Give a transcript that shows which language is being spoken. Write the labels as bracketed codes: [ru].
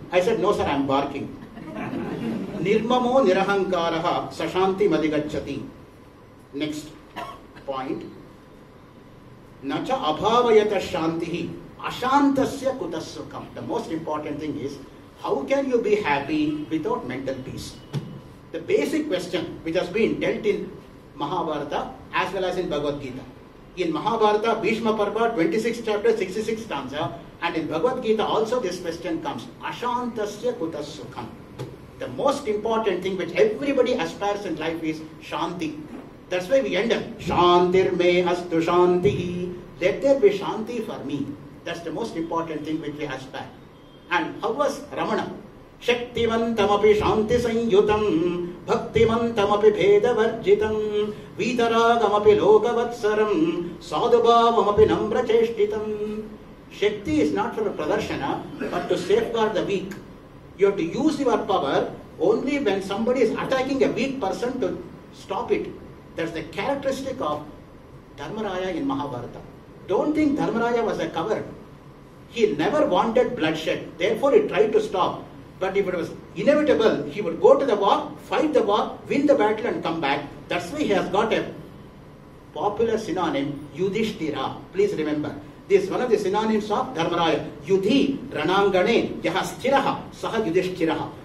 [en] I said no sir, I am working. [sa] ನಿರ್ಮಮೋ ನಿರಹಂಕಾರ ಸಶಾಂತಿ ಮಧಿಗಚ್ಚತಿ. [en] next point, [sa] ನಚ ಅಭಾವಯತ ಶಾಂತಿ ಅಶಾಂತಸ್ಯ ಕುತಸುಖಂ. [en] The most important thing is how can you be happy without mental peace. The basic question which has been dealt in Mahabharata as well as in Bhagavad Gita. In Mahabharata, Bhishma Parva, 26th chapter, 66th stanza, and in Bhagavad Gita also this question comes. [sa] Ashantasya kutasukham. [en] The most important thing which everybody aspires in life is shanti. That's why we end up, [sa] shantir me astu shanti. [en] Let there be shanti for me. That's the most important thing which we aspire. And how was Ramana? [sa] ಶಕ್ತಿವಂತಮಿ Shanti ಸಂಯುತಂ ಭಕ್ತಿವಂತಮಿ ಭೇದವರ್ಜಿತಂ ವೀತರಾಗಮಿ ಲೋಕವತ್ಸರಂ ಸಾಧುಭಾವಮಿ ನಮ್ರಚೇಷ್ಟಿತಂ. [en] Shakti is not for pradarshana but to safeguard the weak. You have to use your power only when somebody is attacking a weak person to stop it. That's the characteristic of Dharmaraya in Mahabharata. Don't think Dharmaraya was a coward. He never wanted bloodshed, therefore he try to stop. But if it was inevitable, he would go to the war, fight the war, win the battle and come back. That's why he has got a popular synonym, Yudhishthira. Please remember, this is one of the synonyms of Dharmaraya. [sa] Yudhi ranangane yaha sthiraha saha Yudhishthiraha.